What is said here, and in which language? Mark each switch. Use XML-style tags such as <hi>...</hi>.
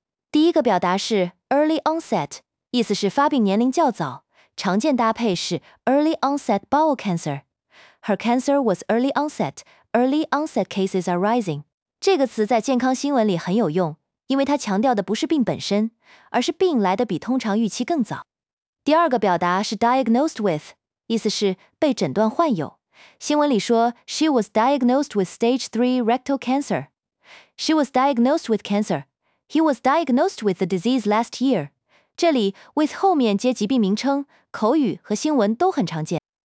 <zh>第一个表达是 early onset， 意思是发病年龄较早，常见搭配是 early onset bowel cancer。</zh> <en>Her cancer was early onset. Early onset cases are rising.</en> <zh>这个词在健康新闻里很有用，因为它强调的不是病本身，而是病来得比通常预期更早。第二个表达是 diagnosed with， 意思是被诊断患有。新闻里说 ，</zh> <en>She was diagnosed with stage 3 rectal cancer. She was diagnosed with cancer. He was diagnosed with the disease last year.</en> <zh>这里 with 后面接疾病名称，口语和新闻都很常见。</zh>